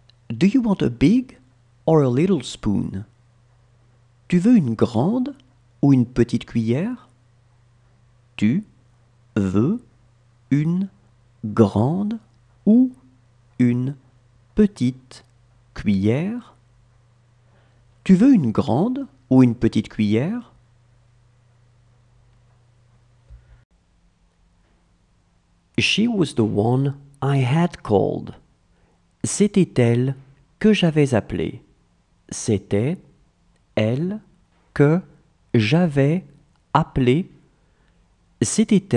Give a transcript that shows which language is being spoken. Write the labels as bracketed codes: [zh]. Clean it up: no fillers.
[en] Do you want a big or a little spoon? [fr] Tu veux une grande ou une petite cuillère? Tu veux une grande ou une petite cuillère? Tu veux une grande ou une petite cuillère? [en] She was the one I had called. [fr] C'était elle que j'avais appelée. C'était elle que j'avais appelée. C'était elle que j'avais appelée.